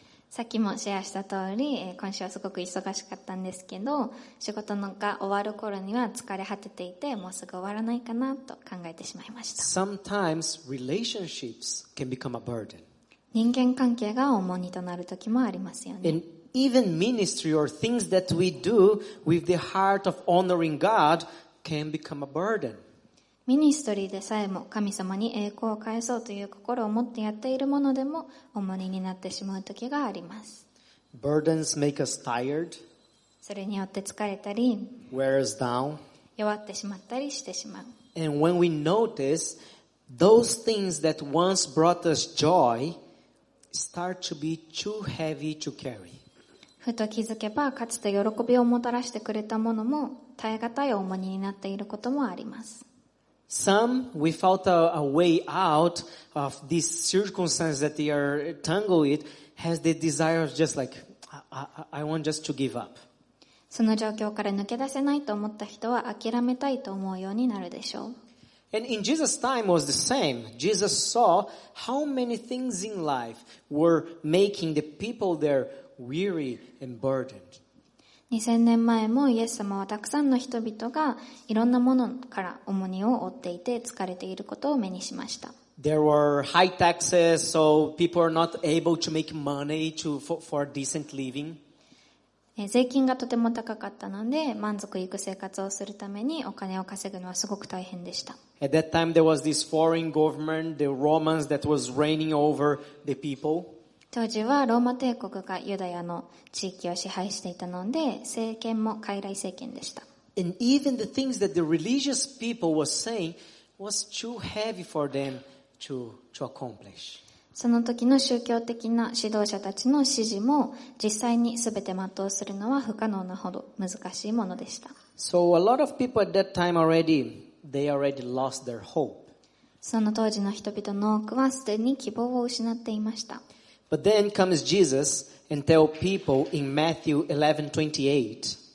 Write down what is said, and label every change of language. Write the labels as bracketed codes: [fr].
[ja] さっきもシェアした通り、今週はすごく忙しかったんですけど、仕事のが終わる頃には疲れ果てていて、もうすぐ終わらないかなと考えてしまいました。 [en] Sometimes relationships can become a burden. [ja] 人間関係が重荷となる時もありますよね。 [en] And even ministry or things that we do with the heart of honoring God can become a burden. [ja] ミニストリーでさえも神様に栄光を返そうという心を持ってやっているものでも重荷になってしまう時があります。 [en] Burdens make us tired. [ja] それによって疲れたり、 [en] wear us down. [ja] 弱ってしまったりしてしまう。 [en] And when we notice those things that once brought us joy start to be too heavy to carry. [ja] ふと気づけば、かつて喜びをもたらしてくれたものも耐え難い重荷になっていることもあります。 [en] Some we felt a way out of this circumstance that they are tangled with has the desire of just like I want just to give up. [ja] その状況から抜け出せないと思った人は諦めたいと思うようになるでしょう。 [en] And in Jesus' time was the same. Jesus saw how many things in life were making the people there weary and burdened. [ja] 2000年前もイエス様はたくさんの人々がいろんなものから重荷を負っていて疲れていることを目にしました。 [en] There were high taxes, so people are not able to make money to, for a decent living. [ja] 税金がとても高かったので満足いく生活をするためにお金を稼ぐのはすごく大変でした。 [en] At that time there was this foreign government, the Romans, that was reigning over the people. [ja] 当時はローマ帝国がユダヤの地域を支配していたので、政権も傀儡政権でした。 [en] And even the things that the religious people were saying was too heavy for them to accomplish. [ja] その時の宗教的な指導者たちの指示も、実際に全て全うするのは不可能なほど難しいものでした。 [en] So a lot of people at that time already, they already lost their hope. [ja] その当時の人々の多くはすでに希望を失っていました。 [en] But then comes Jesus and tell people in Matthew 11:28.